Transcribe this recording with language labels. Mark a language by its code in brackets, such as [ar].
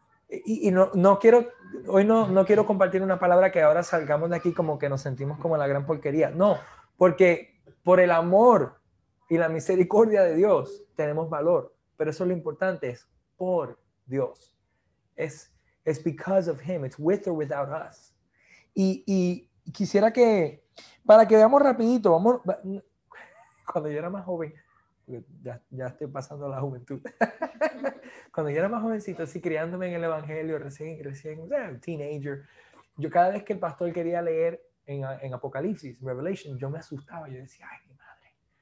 [es] y no quiero compartir una palabra que ahora salgamos de aquí como que nos sentimos como la gran porquería, no, porque por el amor y la misericordia de Dios, tenemos valor. Pero eso es lo importante, es por Dios. Es [en] because of him, it's with or without us. [es] Y quisiera que Para que veamos rapidito, vamos. Cuando yo era más joven, ya estoy pasando la juventud. Cuando yo era más jovencito, así criándome en el Evangelio, recién, teenager, yo cada vez que el pastor quería leer en Apocalipsis, Revelation, yo me asustaba, yo decía, ay, mi madre.